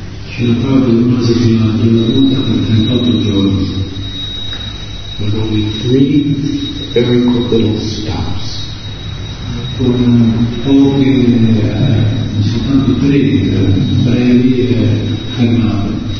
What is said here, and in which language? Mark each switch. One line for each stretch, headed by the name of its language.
Italian: Srila Prabhupada rimase sulla Calatuta per 38 giorni.
English: But only three very quick little stops.
Italian: Con pochi soltanto tre brevi fermate.